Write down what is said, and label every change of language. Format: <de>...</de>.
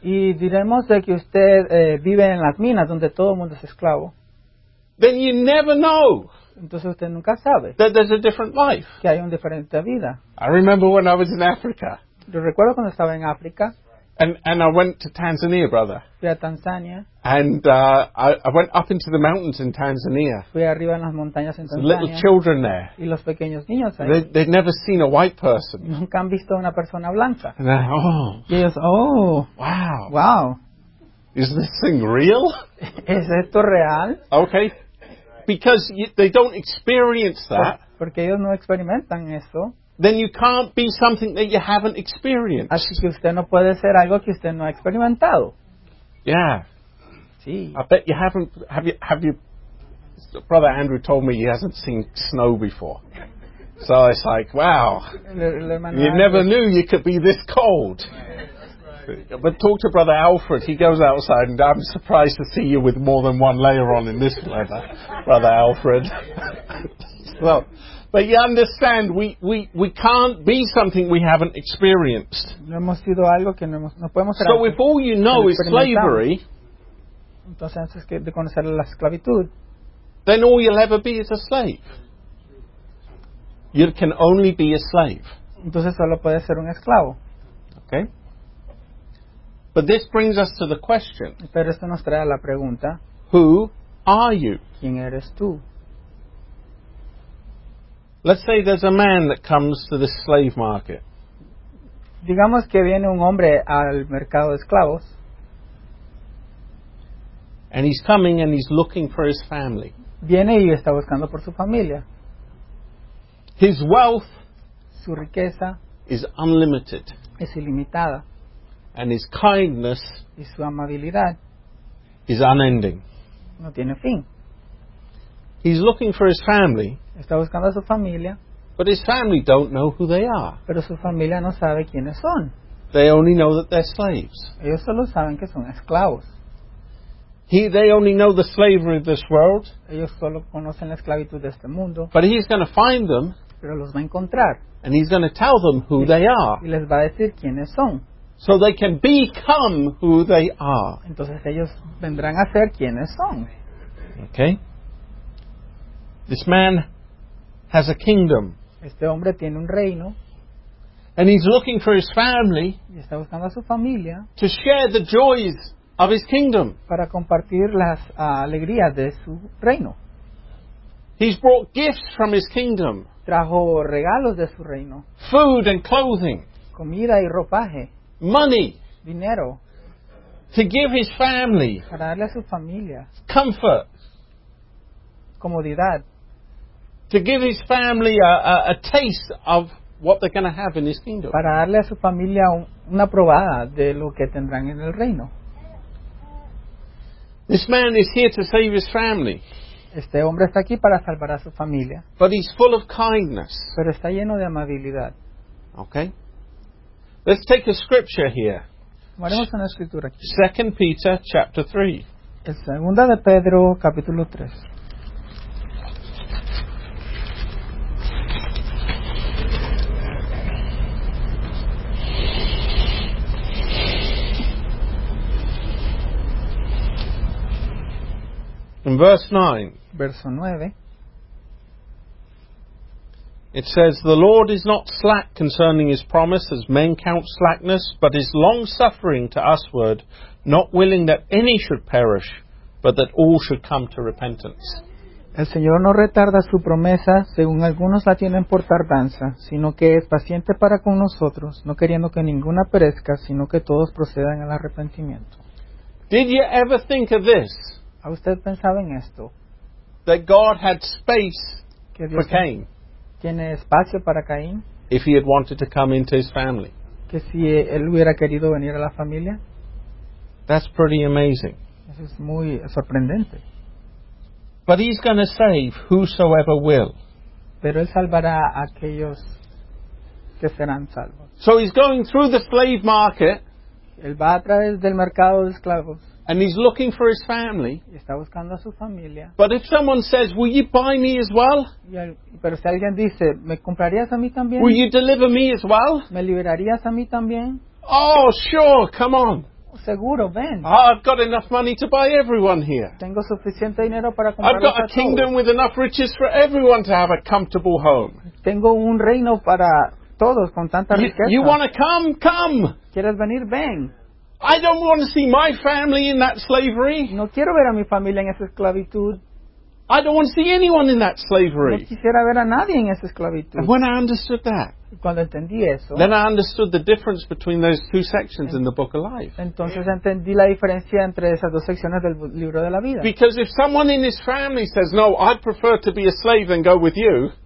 <es>y diremos de que usted vive en las minas donde todo el mundo es esclavo,</es> <en>then you never know.</en> <es>Entonces usted nunca sabe</es> <en>that there's a different life.</en> <es>Que hay una diferente vida.</es> <en>I remember when I was in Africa.</en> <es>Yo recuerdo cuando estaba en África.</es> <en>And I went to Tanzania, brother.</en> <es>Fui a Tanzania.</es> <en>And I went up into the mountains in Tanzania.</en> <es>Fui arriba en las montañas en Tanzania.</es> <en>The little children there.</en> <es>Y los pequeños niños ahí.</es> <en>They'd never seen a white person.</en> <es>Nunca han visto una persona blanca.</es> <en>And they're like, oh.</en> <es>Y ellos, oh.</es> <en>Wow. Wow. Is this thing real?</en> <es>¿Es esto real?</es> <en>Okay. Because they don't experience that.</en> <es>Porque ellos no experimentan eso.</es> <en>Then you can't be something that you haven't experienced.</en> <es>Así que usted no puede ser algo que usted no ha experimentado.</es> <en>Yeah.</en> <es>Sí.</es> <en>I bet you haven't. Have you? Brother Andrew told me he hasn't seen snow before. So it's like, wow. You never knew you could be this cold. But talk to Brother Alfred. He goes outside, and I'm surprised to see you with more than one layer on in this weather, Brother Alfred. Well, but you understand, we can't be something we haven't experienced.</en> <es>No hemos sido algo que no podemos ser.</es> <en>So if all you know is slavery,</en> <es>entonces antes que de conocer la esclavitud,</es> <en>then all you'll ever be is a slave. You can only be a slave.</en> <es>Entonces solo puede ser un esclavo.</es> <en>Okay. But this brings us to the question.</en> <es>Pero esto nos trae a la pregunta.</es> <en>Who are you?</en> <es>¿Quién eres tú?</es> <en>Let's say there's a man that comes to the slave market.</en> <es>Digamos que viene un hombre al mercado de esclavos.</es> <en>And he's coming and he's looking for his family.</en> <es>Viene y está buscando por su familia.</es> <en>His wealth,</en> <es>su riqueza,</es> <en>is unlimited.</en> <es>Es ilimitada.</es> <en>And his kindness,</en> <es>y su amabilidad,</es> <en>is unending.</en> <es>No tiene fin.</es> <en>He's looking for his family.</en> <es>Está buscando a su familia.</es> <en>But his family don't know who they are.</en> <es>Pero su familia no sabe quiénes son.</es> <en>They only know that they're slaves.</en> <es>Ellos solo saben que son esclavos.</es> <en>They only know the slavery of this world.</en> <es>Ellos solo conocen la esclavitud de este mundo.</es> <en>But he's going to find them.</en> <es>Pero los va a encontrar.</es> <en>And he's going to tell them who they are.</en> <es>Y les va a decir quiénes son.</es> <en>So they can become who they are.</en> <es>Entonces ellos vendrán a ser quienes son.</es> <en>Okay. This man has a kingdom.</en> <es>Este hombre tiene un reino.</es> <en>And he's looking for his family.</en> <es>Y está buscando a su familia.</es> <en>To share the joys of his kingdom.</en> <es>Para compartir las alegrías de su reino.</es> <en>He's brought gifts from his kingdom.</en> <es>Trajo regalos de su reino.</es> <en>Food and clothing.</en> <es>comida y ropaje.</es> <en>Money.</en> <es>Dinero.</es> <en>To give his family.</en> <es>Para darle a su familia.</es> <en>Comfort.</en> <es>Comodidad.</es> <en>To give his family a taste of what they're going to have in his kingdom.</en> <es>Para darle a su familia una probada de lo que tendrán en el reino.</es> <en>This man is here to save his family.</en> <es>Este hombre está aquí para salvar a su familia.</es> <en>But he's full of kindness.</en> <es>Pero está lleno de amabilidad.</es> <en>Okay. Let's take a scripture here.</en> <es>Tomaremos una escritura aquí.</es> <en>2 Peter chapter 3.</en> <es>El segunda de Pedro capítulo 3.</es> <en>In verse 9, it says, "The Lord is not slack concerning his promise, as men count slackness, but is long-suffering to usward, not willing that any should perish, but that all should come to repentance."</en> <es>El Señor no retarda su promesa, según algunos la tienen por tardanza, sino que es paciente para con nosotros, no queriendo que ninguna perezca, sino que todos procedan al arrepentimiento.</es> <en>Did you ever think of this?</en> <es>¿Ha usted pensado en esto?</es> <en>That God had space</en> <es>que Dios</es> <en>for Cain.</en> <es>Tiene espacio para Caín.</es> <en>If he had wanted to come into his family.</en> <es>Que si él hubiera querido venir a la familia.</es> <en>That's pretty amazing.</en> <es>Eso es muy sorprendente.</es> <en>But he's going to save whosoever will.</en> <es>Pero él salvará a aquellos que serán salvos.</es> <en>So he's going through the slave market.</en> <es>Él va a través del mercado de esclavos.</es> <en>And he's looking for his family.</en> <es>Está buscando a su familia.</es> <en>But if someone says, "Will you buy me as well?"</en> <es>Pero si alguien dice, ¿me comprarías a mí también?</es> <en>Will you deliver me as well?</en> <es>¿Me liberarías a mí también?</es> <en>Oh, sure, come on.</en> <es>Seguro, ven.</es> <en>Oh, I've got enough money to buy everyone here.</en> <es>Tengo suficiente dinero para comprar.</es> <en>I've got a kingdom with enough riches for everyone to have a comfortable home.</en> <es>Tengo un reino para todos con tanta riqueza.</es> <en>You want to come? Come.</en> <es>¿Quieres venir? Ven.</es> <en>I don't want to see my family in that slavery.</en> <es>No quiero ver a mi familia en esa esclavitud.</es> <en>I don't want to see anyone in that slavery.</en> <es>No quisiera ver a nadie en esa esclavitud.</es> <en>And when I understood that,</en> <es>cuando entendí eso,</es> <en>then I understood the difference between those two sections in the book of life.</en> <es>Entonces entendí la diferencia entre esas dos secciones del libro de la vida.</es> <en>Because if someone in his family says, "No, I'd prefer to be a slave than go with you,"</en>